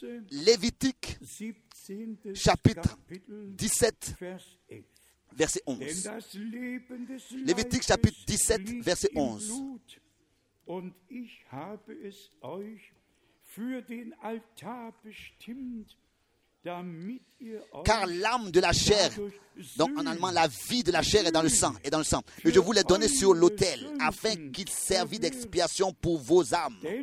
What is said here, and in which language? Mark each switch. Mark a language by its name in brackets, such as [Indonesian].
[French] Lévitique, chapitre 17, verset 11. Lévitique, chapitre 17, verset 11. [German] Und ich habe es euch für den Altar bestimmt. [French] Car l'âme de la chair, donc en allemand, la vie de la chair est dans le sang. Et je vous l'ai donné sur l'autel, afin qu'il servît d'expiation pour vos âmes.